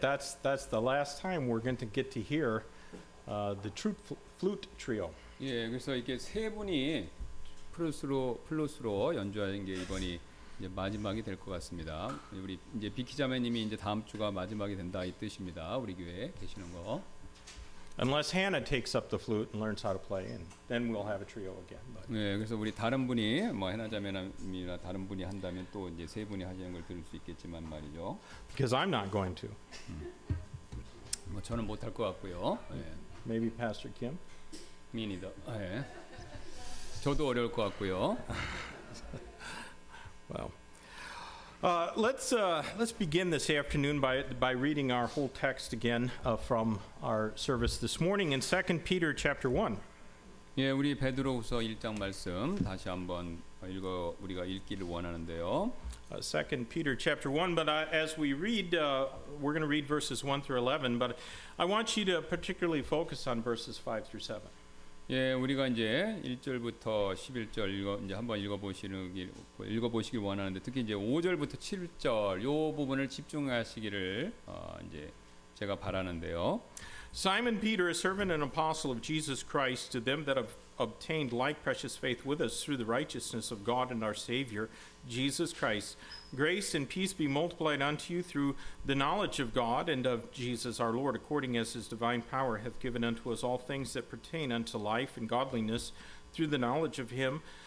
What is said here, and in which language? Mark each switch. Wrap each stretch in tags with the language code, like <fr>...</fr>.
<en>That's the last time we're going to get to hear the true flute trio.</en> <ko>예, 그래서 이렇게 세 분이 플루트로 연주하는 게 이번이 이제 마지막이 될 것 같습니다. 우리 이제 비키 자매님이 이제 다음 주가 마지막이 된다 이 뜻입니다. 우리 교회에 계시는 거.</ko> <en>Unless Hannah takes up the flute and learns how to play, and then we'll have a trio again. But.</en> <ko>네, 그래서 우리 다른 분이 뭐 해나 자매나 다른 분이 한다면 또 이제 세 분이 하시는 걸 들을 수 있겠지만 말이죠.</ko> <en>Because I'm not going to.</en> <ko>뭐 저는 못 할 것 같고요. 네.</ko> <en>Maybe Pastor Kim. Me neither.</en> <ko>네. 저도 어려울 것 같고요.</ko> <en>Well. Let's begin this afternoon by reading our whole text again from our service this morning in 2 Peter chapter 1.</en> <ko>예, 우리 베드로후서 1장 말씀 다시 한번 읽어 우리가 읽기를 원하는데요.</ko> <en>2 Peter chapter 1, but as we read, we're going to read verses 1 through 11, but I want you to particularly focus on verses 5 through 7.</en> <ko>예, 우리가 이제 1절부터 11절 읽어보시길 원하는데 특히 이제 5절부터 7절 요 부분을 집중하시기를 이제 제가 바라는데요.</ko> <en>Simon Peter, a servant and apostle of Jesus Christ, to them that have obtained like precious faith with us through the righteousness of God and our Savior, Jesus Christ, grace and peace be multiplied unto you through the knowledge of God and of Jesus our Lord, according as his divine power hath given unto us all things that pertain unto life and godliness through the knowledge of him</en>